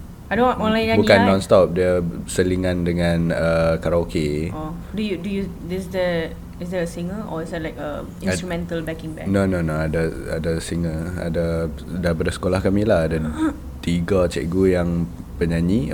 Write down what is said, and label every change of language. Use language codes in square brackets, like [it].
[ms] Bukan non-stop, dia selingan dengan karaoke. [en] Oh, do you is there a singer or is there like a instrumental backing band? [ms] No, ada singer. Ada daripada sekolah kami lah, ada 3 cikgu yang penyanyi.